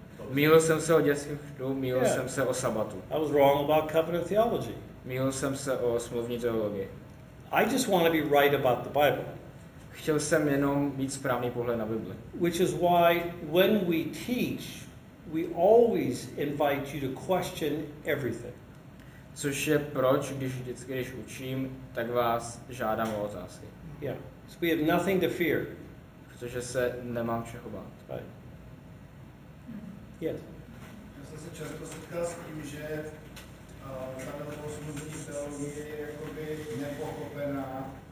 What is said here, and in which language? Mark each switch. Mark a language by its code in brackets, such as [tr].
[cs] Mýlil jsem se o dětským chřtu, mýlil jsem se o sabatu. [en] I was wrong about covenant theology. [cs] Mýlil jsem se o smluvní teologii. [en] I just want to be right about the Bible. [cs] Chtěl jsem jenom mít správný pohled na Bibli. [en] Which is why when we teach, we always invite you to question everything. [cs] Což je proč, když vždycky, když učím, tak vás žádám o otázky. [en] Yeah. So we have nothing to fear. [cs] Protože se nemám čeho bát. [en] Right. Yes. [cs] Já jsem se často setkal s tím, že zavělou smluvní teologie je jakoby nepochopená.